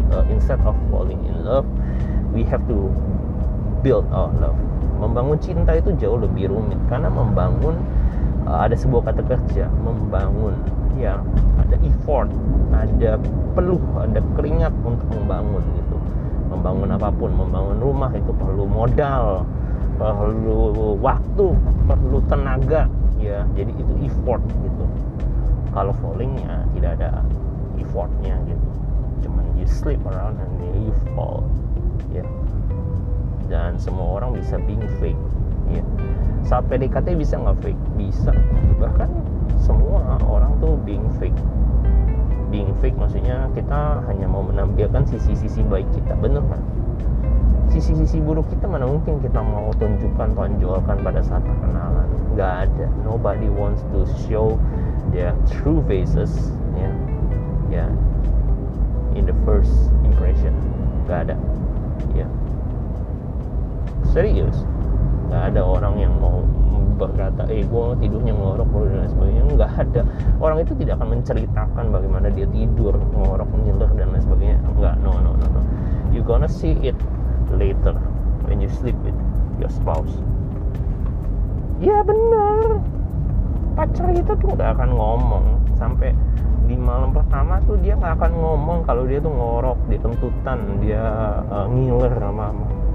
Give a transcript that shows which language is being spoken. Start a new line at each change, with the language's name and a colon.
English: Instead of falling in love, we have to build our love.
Indonesian: Membangun cinta itu jauh lebih rumit karena membangun ada sebuah kata kerja, membangun ya, ada effort, ada peluh, ada keringat untuk membangun gitu. Membangun apapun, membangun rumah itu perlu modal, perlu waktu, perlu tenaga. Ya, jadi itu effort gitu. Kalau fallingnya tidak ada effortnya gitu, cuman
English: you sleep around and you fall
Indonesian: ya. Dan semua orang bisa being fake ya. Saat PDKT bisa nggak fake? Bisa, bahkan semua orang tuh being fake. Being fake maksudnya kita hanya mau menampilkan sisi-sisi baik kita, bener kan? Sisi-sisi buruk kita mana mungkin kita mau tunjukkan, tonjolkan pada saat perkenalan. Gak ada.
English: Nobody wants to show their true faces, ya, yeah. Ya, yeah. In the first impression,
Indonesian: gak ada,
English: ya. Yeah.
Indonesian: Serius, gak ada orang yang mau berkata, gue tidurnya ngorok dan sebagainya. Gak ada. Orang itu tidak akan menceritakan bagaimana dia tidur ngorok, nyilir dan lain sebagainya. Enggak, no.
English: You gonna see it later when you sleep with your spouse.
Indonesian: Ya benar, pacar itu tuh gak akan ngomong sampai di malam pertama tuh dia gak akan ngomong kalau dia tuh ngorok, dia kentutan, dia ngiler sama mama.